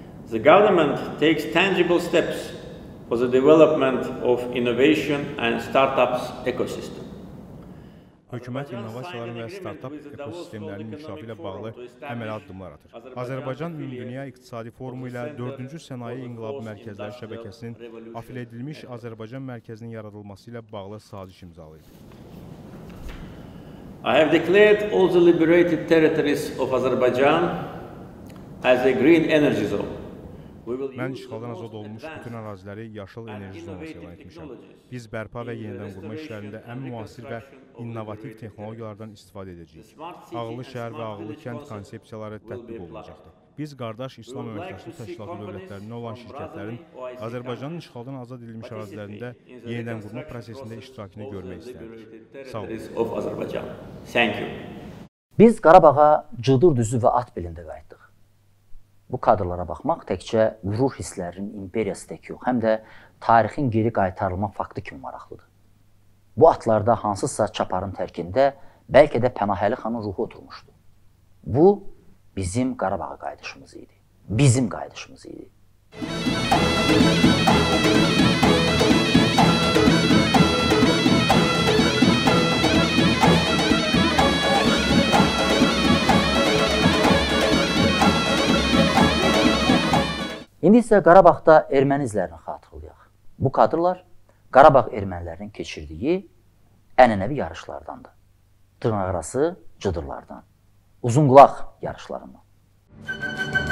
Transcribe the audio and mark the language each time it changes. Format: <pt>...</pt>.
<en>The government takes tangible steps for the development of innovation and startups ecosystem.</en> <az>Hökumət innovasiyaların və startup ekosistemlərinin inkişafı ilə bağlı əməli addımlar atır. Azərbaycan Ümumdünya İqtisadi Forumu ilə 4-cü Sənaye İnqilabı Mərkəzləri Şəbəkəsinin afil edilmiş Azərbaycan mərkəzinin yaradılması ilə bağlı saziş imzalayıb.</az> <en>I have declared all the liberated territories of Azerbaijan as a green energy zone.</en> <az>Mən işğaldan azad olunmuş bütün əraziləri yaşıl enerji zonası elan etmişəm. Biz bərpa və yenidən qurma işlərində ən müasir və innovativ texnologiyalardan istifadə edəcəyik. Ağıllı şəhər və ağıllı kənd konsepsiyaları tətbiq olunacaqdır. Biz qardaş İslam Əməkdaşlıq Təşkilatı dövlətlərində olan şirkətlərin Azərbaycanın işğaldan azad edilmiş ərazilərində yenidən qurma prosesində iştirakını görmək istəyirik. Sağ olun. Biz Qarabağa cıdır düzü və at belində qayıtdıq. Bu kadrlara baxmaq təkcə qürur hisslərinin imperiyası tək yox, həm də tarixin geri qaytarılma faktı kimi maraqlıdır. Bu atlarda hansısa çaparın tərkində bəlkə də Pənahəli xanın ruhu oturmuşdu. Bu bizim Qarabağa qayıdışımız idi. Bizim qayıdışımız idi. İndi isə Qarabağda erməni izlərini xatırlayaq. Bu kadrlar Qarabağ ermənilərinin keçirdiyi ənənəvi yarışlardandır. Dırnaqarası cıdırlardan. Uzunqulaq yarışlarından.</az>